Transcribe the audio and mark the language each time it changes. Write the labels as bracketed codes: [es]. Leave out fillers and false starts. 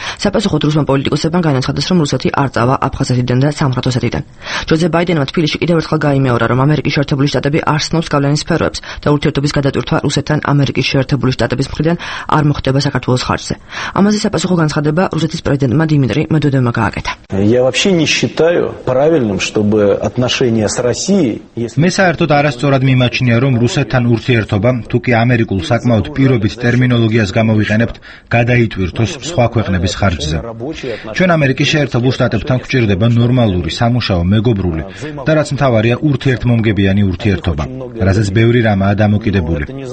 [ka] საპასუხოდ რუსმა პოლიტიკოსებმა განაცხადეს, რომ რუსეთი არ წავა აფხაზეთიდან და სამხრეთ ოსეთიდან. ჯოზეფ ბაიდენმა თბილისში კიდევ ერთხელ გაიმეორა, რომ ამერიკის შეერთებული შტატები არ სწნობს გავლენის სფეროებს და ურთიერთობის გადატვირთვა რუსეთთან ამერიკის შეერთებული შტატების მხრიდან არ მოხდება საქართველოს ხარჯზე. ამაზე საპასუხო განცხადება რუსეთის პრეზიდენტმა დიმიტრი მედვედევმა გააკეთა. [ru] Я вообще не считаю правильным, чтобы отношения с Россией, [ka] если მე საერთოდ არასწორად მიმაჩნია, რომ რუსეთთან ურთიერთობა, თუ კი ამერიკულ საკმაოდ პირობით ტერმინოლოგიას გამოვიყენებთ, გადაიტვირთოს სხვა ქვეყნების ხარჯზე. ჩვენ ამერიკის შეერთებულ შტატებთან გვჭირდება ნორმალური სამუშაო მეგობრული და რაც მთავარია, ურთიერთმომგებიანი ურთიერთობა, რაზეც ბევრი რამ ადამოკიდებული.